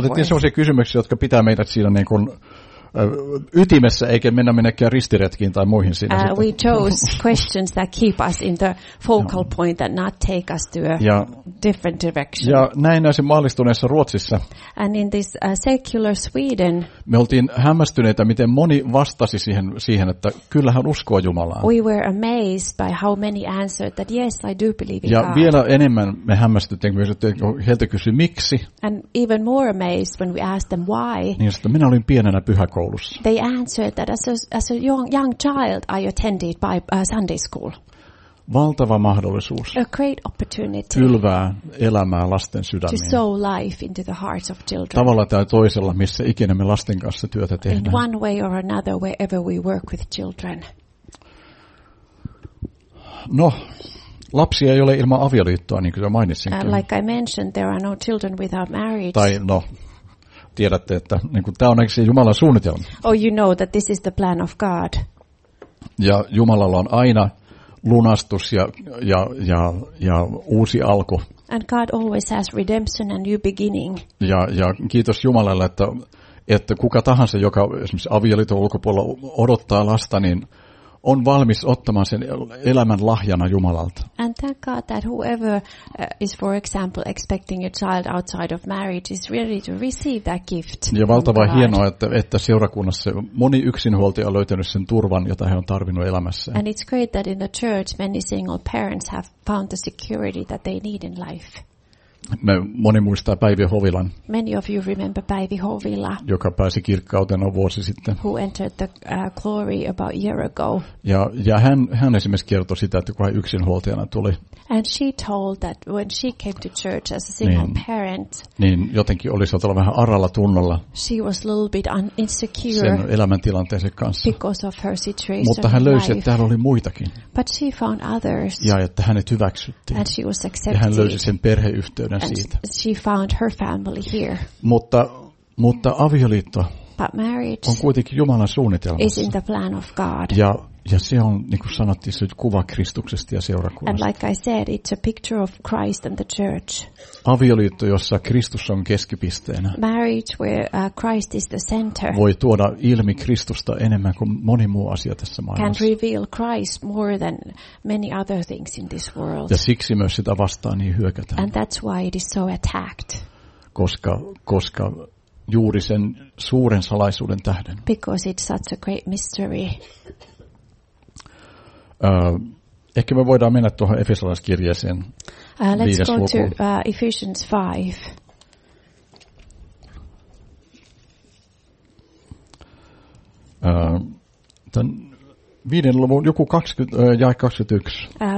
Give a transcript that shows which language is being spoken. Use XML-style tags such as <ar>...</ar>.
<fi>Otettiin sellaisia kysymyksiä, jotka pitää meidät siinä niin kuin ytimessä eikä mennä minnekään ristiretkiin tai muihin siinä sitten.</fi> <en>We chose questions that keep us in the focal point that not take us to a different direction.</en> <fi>Ja näin maallistuneessa Ruotsissa.</fi> <en>And in this secular Sweden.</en> <fi>Me oltiin hämmästyneitä, miten moni vastasi siihen että kyllähän uskoo Jumalaan.</fi> <en>We were amazed by how many answered that yes, I do believe in</en> <fi>ja</fi> <en>God.</en> <fi>Ja vielä enemmän me hämmästyttiin, kun heiltä kysyi miksi.</fi> <en>And even more amazed when we asked them why.</en> <fi>Niin sitten minä olin pienenä pyhä.</fi> <en>They answered that as a young child I attended by Sunday school.</en> <fi>Valtava mahdollisuus.</fi> <en>A great opportunity.</en> <fi>Kylvää elämää lasten sydämiin.</fi> <en>To sow life into the hearts of children.</en> <fi>Tavalla tai toisella, missä ikinä me lasten kanssa työtä tehdään.</fi> <en>In one way or another, wherever we work with children.</en> <fi>No, lapsia ei ole ilman avioliittoa, niin kuin mainitsinkin.</fi> <en>Like I mentioned, there are no children without marriage.</en> <fi>Tai no. Tiedätte, että niin kuin, tämä on oikein Jumalan suunnitelma.</fi> <en>Oh, you know that this is the plan of God.</en> <fi>Ja Jumalalla on aina lunastus ja uusi alku.</fi> <en>And God always has redemption and new beginning.</en> <fi>Ja kiitos Jumalalle, että kuka tahansa, joka esimerkiksi avioliiton ulkopuolella odottaa lasta, niin on valmis ottamaan sen elämän lahjana Jumalalta.</fi> <en>And thank God that whoever is, for example, expecting a child outside of marriage is ready to receive that gift.</en> <fi>Ja valtavan hienoa, että seurakunnassa moni yksinhuoltaja on löytänyt sen turvan, jota he on tarvinnut elämässä.</fi> <en>And it's great that in the church many single parents have found the security that they need in life.</en> <fi>Moni muistaa Päivi Hovilan.</fi> <en>Many of you remember Päivi Hovila.</en> <fi>Joka pääsi kirkkauteen vuosi sitten.</fi> <en>Who entered the glory about a year ago.</en> <fi>Ja hän esimerkiksi kertoi sitä, että kun hän yksinhuoltajana tuli.</fi> <en>And she told that when she came to church as a single parent.</en> <fi>Niin jotenkin oli sieltä vähän aralla tunnolla.</fi> <en>She was a little bit insecure.</en> <fi>Sen elämäntilanteensa kanssa.</fi> <en>Because of her situation.</en> <fi>Mutta hän löysi, että täällä oli muitakin.</fi> <en>But she found others.</en> <fi>Ja että hänet hyväksyttiin.</fi> <en>And she was accepted.</en> <fi>Ja hän löysi sen perheyhteyden.</fi> <en>And she found her family here.</en> <fi>Mutta avioliitto on kuitenkin Jumalan suunnitelmassa.</fi> <en>Is in the plan of God.</en> <fi>Ja se on, niin kuin sanottiin, se kuva Kristuksesta ja seurakunnasta.</fi> <en>And like I said, it's a picture of Christ and the church.</en> <fi>Avioliitto, jossa Kristus on keskipisteenä.</fi> <en>Marriage where Christ is the center.</en> <fi>Voi tuoda ilmi Kristusta enemmän kuin moni muu asia tässä maailmassa.</fi> <en>Can reveal Christ more than many other things in this world.</en> <fi>Ja siksi myös sitä vastaan niin hyökätään.</fi> <en>And that's why it is so attacked.</en> <fi>Koska juuri sen suuren salaisuuden tähden.</fi> <en>Because it's such a great mystery.</en> <fi>Ehkä me voidaan mennä tuohon Efesolaiskirjeeseen</fi> <en>Let's go to Ephesians 5.</en> <fi>Tämän viiden luvun, joku 20, jae 21.</fi>